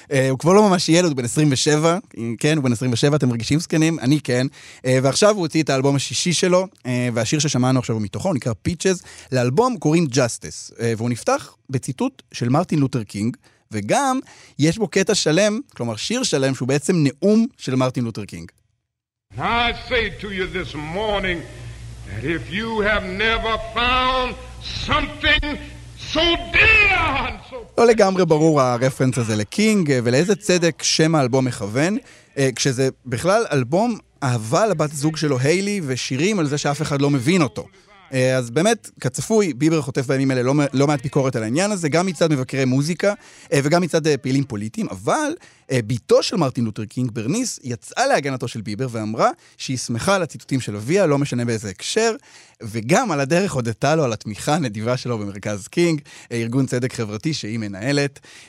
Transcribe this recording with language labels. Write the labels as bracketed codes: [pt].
[he] הוא כבר לא ממש ילד, הוא בן 27. כן, הוא בן 27, אתם מרגישים סקנים? אני כן. ועכשיו הוא הוציא את האלבום השישי שלו, והשיר ששמענו עכשיו הוא מתוכו, הוא נקרא Peaches. לאלבום קוראים Justice, והוא נפתח בציטוט של מרטין לותר קינג, וגם יש בו קטע שלם, כלומר שיר שלם, שהוא בעצם נאום של מרטין לותר קינג. [en] I say to you this morning that if you have never found something so dear and so... [he] לא לגמרי ברור הרפרנס הזה לקינג, ולאיזה צדק שם האלבום מכוון, כשזה בכלל אלבום אהבה לבת זוג שלו היילי, ושירים על זה שאף אחד לא מבין אותו. אז באמת, כצפוי, ביבר חוטף בימים אלה לא מעט ביקורת על העניין הזה, גם מצד מבקרי מוזיקה וגם מצד פעילים פוליטיים, אבל ביתו של מרטין לותר קינג, ברניס, יצאה להגנתו של ביבר ואמרה שהיא שמחה על הציטוטים של אביה, לא משנה באיזה הקשר, וגם על הדרך הודתה לו על התמיכה הנדיבה שלו במרכז קינג, ארגון צדק חברתי שהיא מנהלת.